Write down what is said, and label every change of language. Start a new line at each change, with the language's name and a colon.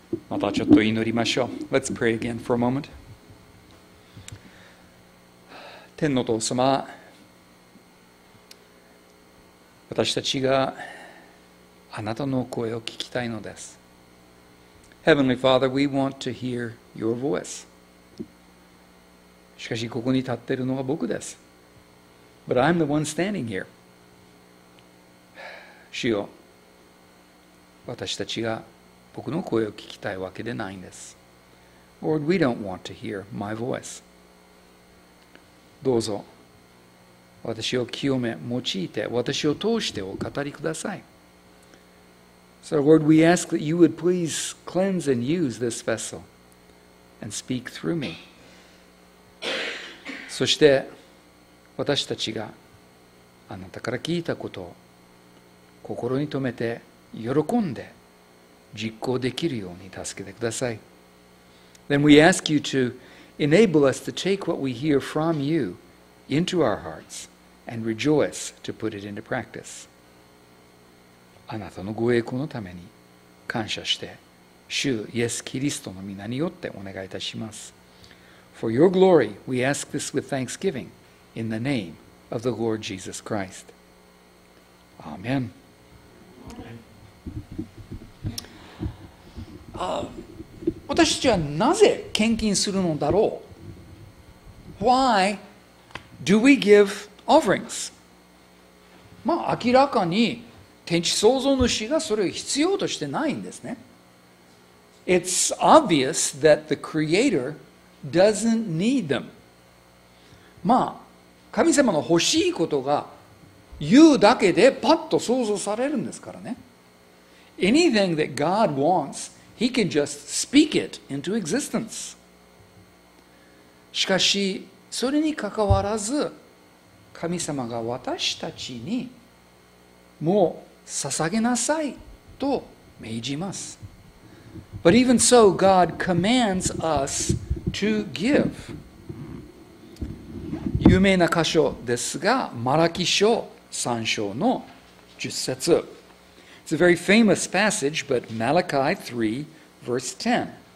Japanese: またちょっと祈りましょう。
English: Let's pray again for a moment.
Japanese: 天の父様、私たちがあなたの声を聞きたいのです。
English: Heavenly Father, we want to hear your voice.
Japanese: しかしここに立っているのは僕です。
English: But I'm the one standing here.
Japanese: 主よ、私たちが僕の声を聞きたいわけでないんです。
English: Lord, we don't want to hear my voice.
Japanese: どうぞ、私を清め、用いて、私を通してお語りください。
English: So Lord, we ask that you would please cleanse and use this vessel and speak through me.
Japanese: そして、私たちがあなたから聞いたことを心に留めて喜んで実行できるように助けてください。
English: Then we ask you to enable us to take what we hear from you into our hearts and rejoice to put it into practice.
Japanese: あなたのご栄光のために感謝して、主イエス・キリストの御名によってお願いいたします。
English: For your glory, we ask this with thanksgiving in the name of the Lord Jesus Christ. Amen. Amen.
Japanese: 私たちはなぜ献金するのだろう?
English: Why do we give offerings?
Japanese: まあ明らかに天地創造主がそれを必要としてないんですね。
English: It's obvious that the Creator doesn't need them.
Japanese: まあ、神様の欲しいことが言うだけでパッと創造されるんですからね。
English: Anything that God wants, He can just speak it into existence.
Japanese: しかし、それにかかわらず、神様が私たちにもう捧げなさいと命じます。
English: But even so, God commands us to give.
Japanese: 有名な箇所ですが、マラキ書3章の10節。
English: It's a very famous passage, but Malachi 3, verse 10.